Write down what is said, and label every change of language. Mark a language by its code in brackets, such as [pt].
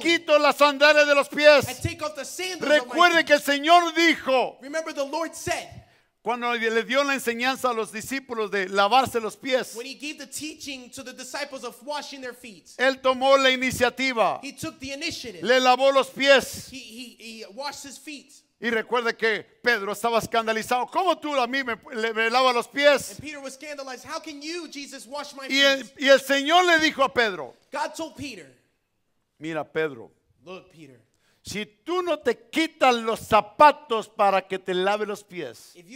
[es] Quito las sandalias de los pies. [en] I take off the sandals. [es] Recuerde [en] of my [es] que el Señor dijo. [en] Remember the Lord said. [es] Cuando le dio la enseñanza a los discípulos de lavarse los pies. [en] When he gave the teaching to the disciples of washing their feet. [es] Él tomó la iniciativa. [en] He took the initiative. [es] Le lavó los pies. [en] He washed his feet. [es] Y recuerde que Pedro estaba escandalizado. ¿Cómo tú a mí me lavas los pies? [en] And Peter was scandalized. How can you, Jesus, wash my feet? [es] Y el Señor le dijo a Pedro. [en] God told Peter. [es] Mira, Pedro. [en] Look, Peter. [es] Si tú no te quitas los zapatos para que te lave los pies.